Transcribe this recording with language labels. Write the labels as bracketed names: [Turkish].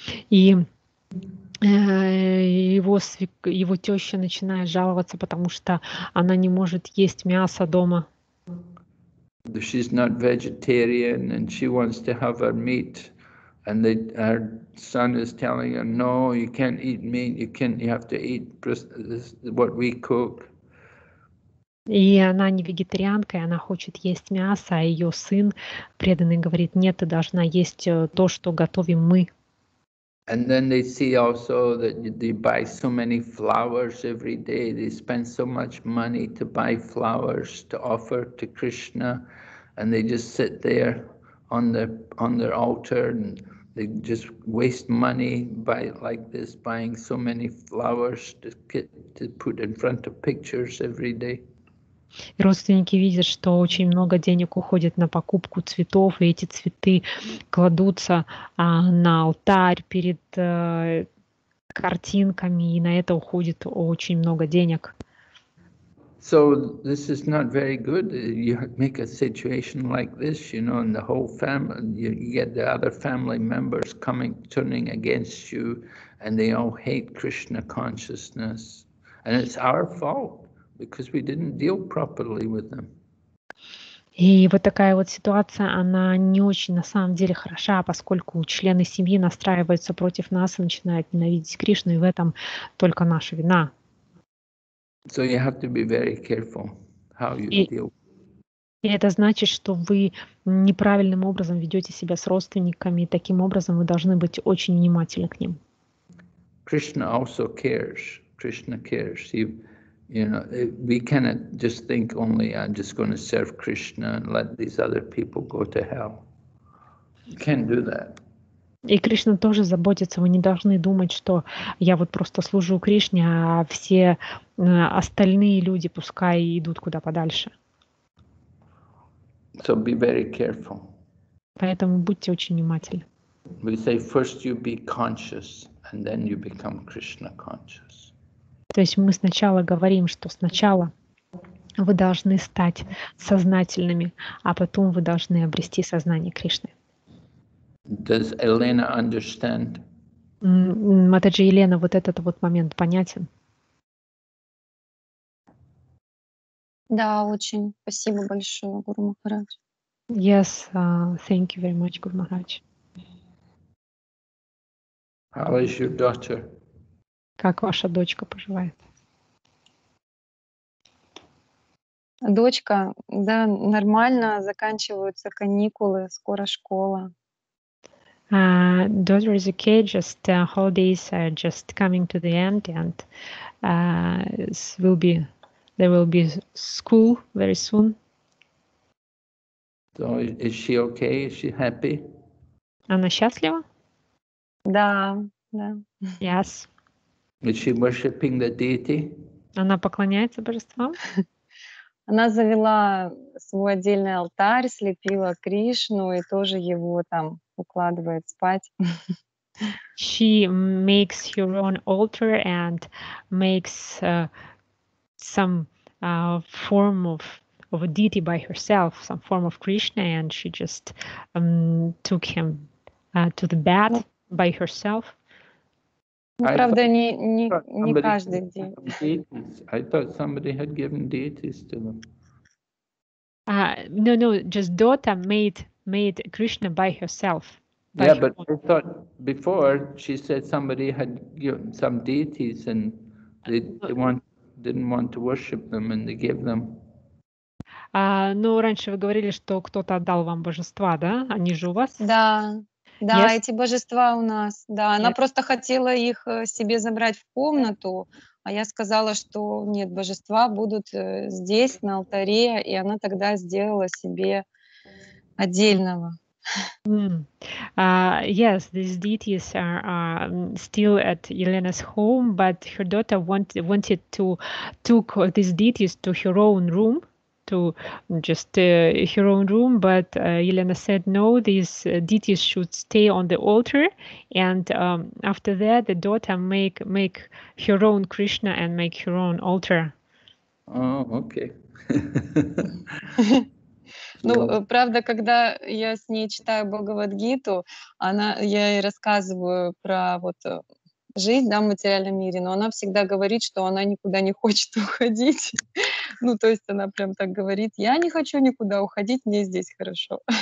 [Russian] И его теща начинает жаловаться, потому что она не может есть мясо дома. [English] She's not vegetarian and she wants to have her meat. And her son is telling her, no, you can't eat meat, you have to eat this, what we cook. [Russian] И она не вегетарианка, и она хочет есть мясо, а ее сын преданный говорит, нет, ты должна есть то, что готовим мы. [English] And then they see also that they buy so many flowers every day, they spend so much money to buy flowers to offer to Krishna, and they just sit there on their altar and they just waste money buying so many flowers to put in front of pictures every day. [Russian] И родственники видят, что очень много денег уходит на покупку цветов, и эти цветы кладутся на алтарь перед картинками, и на это уходит очень много денег. [English] So this is not very good. You make a situation like this, you know, and the whole family, you get the other family members coming, turning against you, and they all hate Krishna consciousness. And it's our fault. Because we didn't deal properly with them. [Russian] И вот такая вот ситуация, она не очень на самом деле хороша, поскольку члены семьи настраиваются против нас и начинают ненавидеть Кришну, и в этом только наша вина. [English] So you have to be very careful how you deal. [Russian] И это значит, что вы неправильным образом ведете себя с родственниками, и таким образом вы должны быть очень внимательны к ним. [English] Krishna also cares. Krishna cares. You know, we cannot just think only I'm just going to serve Krishna and let these other people go to hell. You can't do that. [Russian] И Кришна тоже заботится. Вы не должны думать, что я вот просто служу Кришне, а все остальные люди пускай идут куда подальше. [English] So be very careful. [Russian] Поэтому будьте очень внимательны. [English] We say first you be conscious and then you become Krishna conscious. [Russian] То есть мы сначала говорим, что сначала вы должны стать сознательными, а потом вы должны обрести сознание Кришны. [English] Does Elena understand? [Russian] Матаджи Елена, вот этот вот момент понятен? Да, очень. Спасибо большое, Гуру Махарадж. [English] Yes, thank you very much, Гуру Махарадж. How is your daughter? [Russian] Как ваша дочка поживает? Дочка, да, нормально, заканчиваются каникулы, скоро школа. [English] Daughter is okay, just holidays are just coming to the end, and there will be school very soon. So is she okay? Is she happy? [Russian] Она счастлива? Да, да. [English] Yes. Is she worshiping the deity? [Russian] Она поклоняется божествам? Она завела свой отдельный алтарь, слепила Кришну и тоже его там укладывает спать. [English] She makes her own altar and makes some form of a deity by herself, some form of Krishna, and she just took him to the bed by herself. [Russian] Правда, не каждый день. [English] I thought somebody had given deities to them. No, just daughter made Krishna by herself. But I thought before she said somebody had given some deities and they didn't want to worship them and they gave them. [Russian] Раньше вы говорили, что кто-то отдал вам божества, да? Они же у вас? Да. Да, yes. Эти божества у нас. Да, она yes. Просто хотела их себе забрать в комнату, а я сказала, что нет, божества будут здесь, на алтаре, и она тогда сделала себе отдельного. [English] Yes, these deities are still at Elena's home, but her daughter wanted to took these deities to her own room. To just her own room, but Elena said no. These deities should stay on the altar, and after that, the daughter make her own Krishna and make her own altar. Oh, okay. [Russian] Ну, правда, когда я с ней читаю Бхагавад-гиту, она, я ей рассказываю про вот жизнь, да, в материальном мире, но она всегда говорит, что она никуда не хочет уходить. Ну, то есть она прям так говорит: я не хочу никуда уходить, мне здесь хорошо.